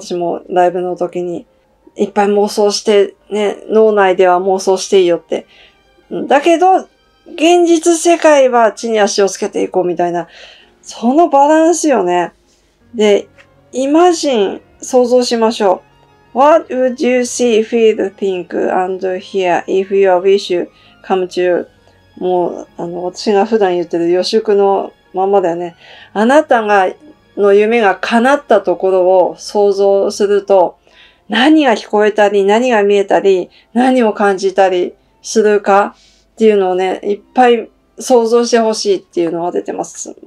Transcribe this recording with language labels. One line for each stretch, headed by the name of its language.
Japanese: 私もライブの時に。いっぱい妄想して、ね、脳内では妄想していいよって。だけど、現実世界は地に足をつけていこうみたいな。そのバランスよね。で、イマジン、想像しましょう。
English: What would you see, feel, think, and hear if your wish come true?
Japanese: もう、私が普段言ってる予祝のままだよね。あなたが、の夢が叶ったところを想像すると、何が聞こえたり、何が見えたり、何を感じたりするかっていうのをね、いっぱい想像してほしいっていうのが出てます。